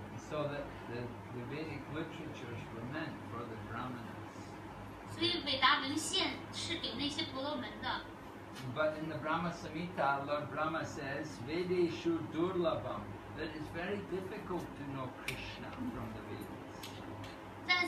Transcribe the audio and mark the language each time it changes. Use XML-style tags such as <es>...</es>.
<en>So that the Vedic literatures were meant for the Brahmanas.</en> <zh>所以韦达文献是给那些婆罗门的。</zh> <en>But in the Brahma Samhita, Lord Brahma says,</en> <sa>Vedeshu Durlabham,</sa> <en>that it's very difficult to know Krishna from the Vedas.</en>